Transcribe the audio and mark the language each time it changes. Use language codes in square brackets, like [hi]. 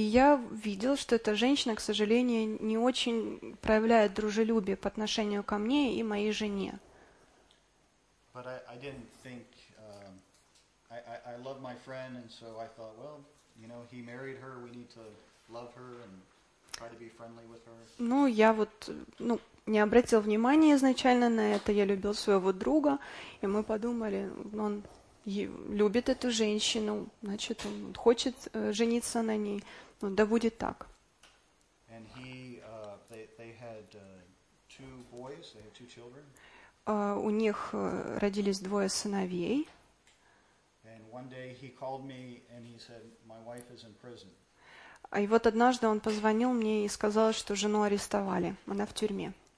[ru] я видел, что эта женщина, к сожалению, не очень проявляет дружелюбие по отношению ко мне и моей жене. [en] But I didn't think I love my friend, and so I thought, well, you know, he married her, we need to love her and try to be friendly with her. [ru] Ну, я вот, ну, не обратил внимания изначально на это. Я любил своего друга, и мы подумали, он любит эту женщину, значит, он хочет жениться на ней. Ну, да будет так. [en] And he they had two boys, they had two children. [ru] У них родились двое сыновей. [en] And one day he called me and he said, my wife is in prison. [ru] И вот однажды он позвонил мне и сказал, что жену арестовали. Она в тюрьме.